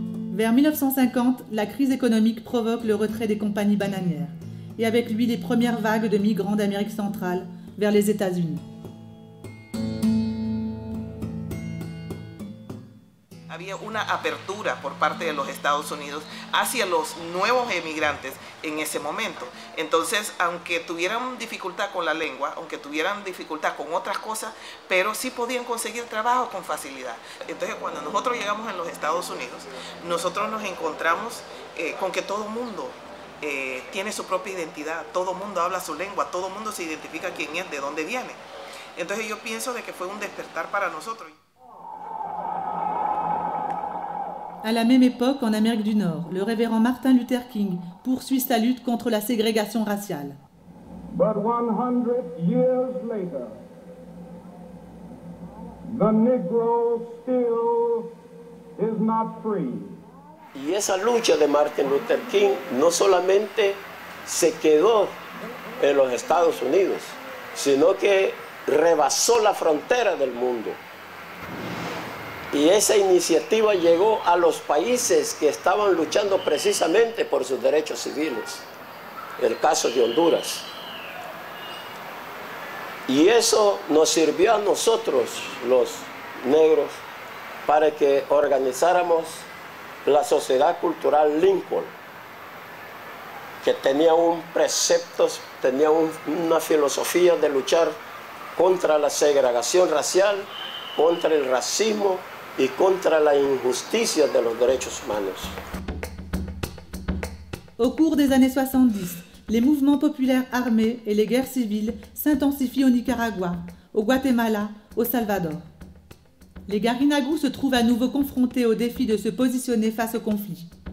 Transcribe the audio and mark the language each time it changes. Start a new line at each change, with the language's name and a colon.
French: Vers 1950, la crise économique provoque le retrait des compagnies bananières et avec lui les premières vagues de migrants d'Amérique centrale vers les États-Unis.
Spanish: Había una apertura por parte de los Estados Unidos hacia los nuevos emigrantes en ese momento. Entonces, aunque tuvieran dificultad con la lengua, aunque tuvieran dificultad con otras cosas, pero sí podían conseguir trabajo con facilidad. Entonces, cuando nosotros llegamos en los Estados Unidos, nosotros nos encontramos con que todo mundo tiene su propia identidad, todo mundo habla su lengua, todo mundo se identifica quién es, de dónde viene. Entonces, yo pienso de que fue un despertar para nosotros.
French: À la même époque, en Amérique du Nord, le révérend Martin Luther King poursuit sa lutte contre la ségrégation raciale.
English: But 100 years later, the Negro still is not free.
Spanish: Y esa lucha de Martin Luther King no solamente se quedó en los Estados Unidos, sino que rebasó la frontera del mundo. Y esa iniciativa llegó a los países que estaban luchando precisamente por sus derechos civiles, el caso de Honduras. Y eso nos sirvió a nosotros, los negros, para que organizáramos la Sociedad Cultural Lincoln, que tenía un precepto, tenía una filosofía de luchar contra la segregación racial, contra el racismo, y contra la injusticia de los derechos humanos.
French: Au cours des années 70, les mouvements populaires armés et les guerres civiles s'intensifient au Nicaragua, au Guatemala, au Salvador. Les Garinagou se trouvent à nouveau confrontés au défi de se positionner face au conflit.